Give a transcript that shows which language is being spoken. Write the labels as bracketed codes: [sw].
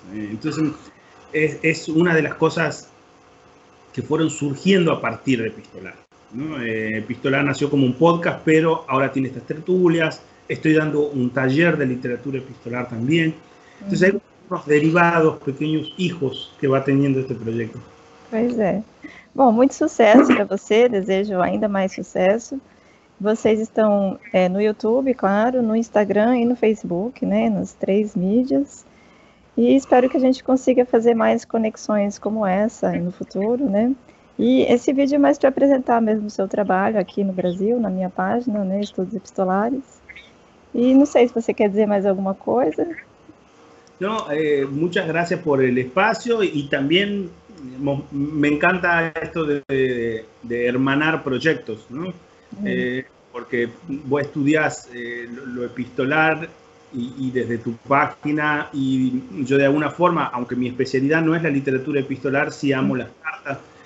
[es] Entonces es una de las cosas que fueron surgiendo a partir de Epistolar, ¿no? Epistolar nació como un podcast, pero ahora tiene estas tertulias. Estoy dando un taller de literatura epistolar también. Entonces hay unos derivados, pequeños hijos que va teniendo este proyecto. [pt] Pois é. Bom, muito sucesso para você. Desejo ainda mais sucesso. Vocês estão no YouTube, claro, no Instagram e no Facebook, né? Nas três mídias. E espero que a gente consiga fazer mais conexões como essa no futuro, né? E esse vídeo é mais para apresentar mesmo o seu trabalho aqui no Brasil, na minha página, né, Estudos Epistolares. E não sei se você quer dizer mais alguma coisa. [es] No, muchas gracias por el espacio y también me encanta esto de hermanar proyectos, ¿no? Porque vos estudiás lo epistolar y desde tu página y yo de alguna forma, aunque mi especialidad no es la literatura epistolar, sí amo las cartas.